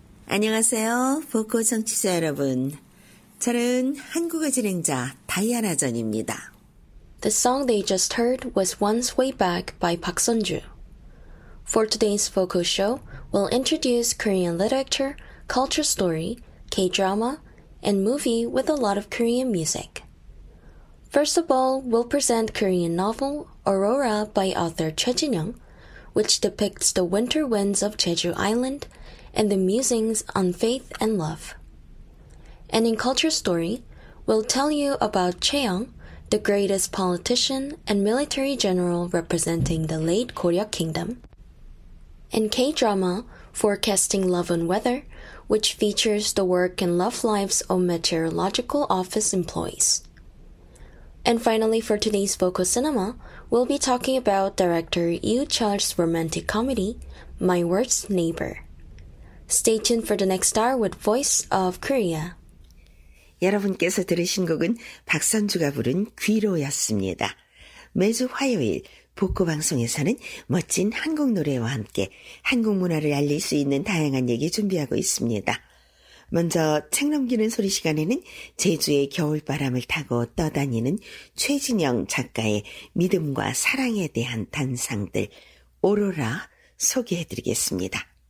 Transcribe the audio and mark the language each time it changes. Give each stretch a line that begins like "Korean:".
Korean: 안녕하세요, 보코 청취자 여러분. 저는 한국어 진행자 다이아나 전입니다.
English: The song they just heard was Once Way Back by Park Sun-ju. For today's Voco show, we'll introduce Korean literature, culture story, K-drama, and movie with a lot of Korean music. First of all, we'll present Korean novel Aurora by author Choi Jin-young, which depicts the winter winds of Jeju Island and the musings on faith and love. And in culture story, we'll tell you about Chaeyoung, the greatest politician and military general representing the late Goryeo Kingdom. In K-drama, Forecasting Love and Weather, which features the work and love lives of meteorological office employees. And finally, for today's Voco Cinema, we'll be talking about director Yoo Chul's romantic comedy, My Worst Neighbor. Stay tuned for the next hour with Voice of Korea.
Korean: 여러분께서 들으신 곡은 박선주가 부른 귀로였습니다. 매주 화요일, 복고 방송에서는 멋진 한국 노래와 함께 한국 문화를 알릴 수 있는 다양한 얘기 준비하고 있습니다. 먼저 책 넘기는 소리 시간에는 제주의 겨울바람을 타고 떠다니는 최진영 작가의 믿음과 사랑에 대한 단상들 오로라 소개해드리겠습니다.